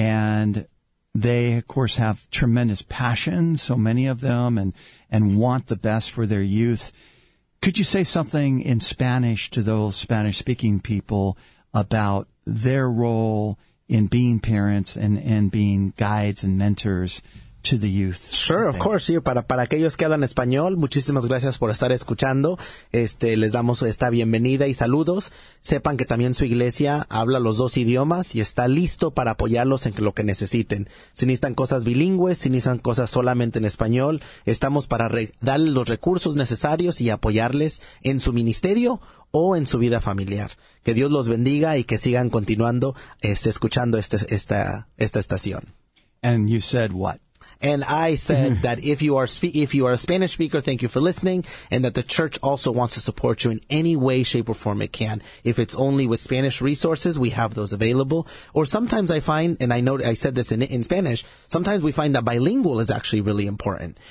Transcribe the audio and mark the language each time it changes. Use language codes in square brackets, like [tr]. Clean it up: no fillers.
[en] and they, of course, have tremendous passion, so many of them, and want the best for their youth. Could you say something in Spanish to those Spanish-speaking people about their role in being parents and being guides and mentors to the youth? Sure, of course. Sí. [es] Para aquellos que hablan español, muchísimas gracias por estar escuchando. Les damos esta bienvenida y saludos. Sepan que también su iglesia habla los dos idiomas y está listo para apoyarlos en lo que necesiten. Si necesitan cosas bilingües, si necesitan cosas solamente en español, estamos para darles los recursos necesarios y apoyarles en su ministerio o en su vida familiar. Que Dios los bendiga y que sigan continuando escuchando esta estación. [en] And you said what? And I said that if you are a Spanish speaker, thank you for listening, and that the church also wants to support you in any way, shape, or form it can. If it's only with Spanish resources, we have those available. Or sometimes I find, and I know I said this in Spanish, sometimes we find that bilingual is actually really important.